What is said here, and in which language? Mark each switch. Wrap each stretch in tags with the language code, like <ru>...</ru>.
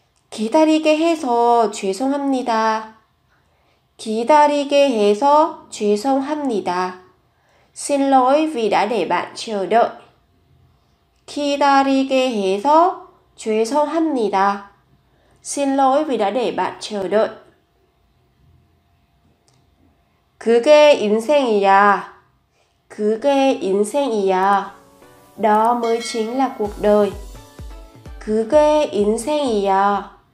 <ko>기다리게 해서 죄송합니다. 기다리게 해서 죄송합니다.</ko> <vi>Xin lỗi vì đã để bạn chờ đợi.</vi> <ko>기다리게 해서 죄송합니다.</ko> <vi>Xin lỗi vì đã để bạn chờ đợi.</vi> <ko>그게 인생이야. 그게 인생이야.</ko> <vi>Đó mới chính là cuộc đời.</vi> <ko>그게 인생이야.</ko>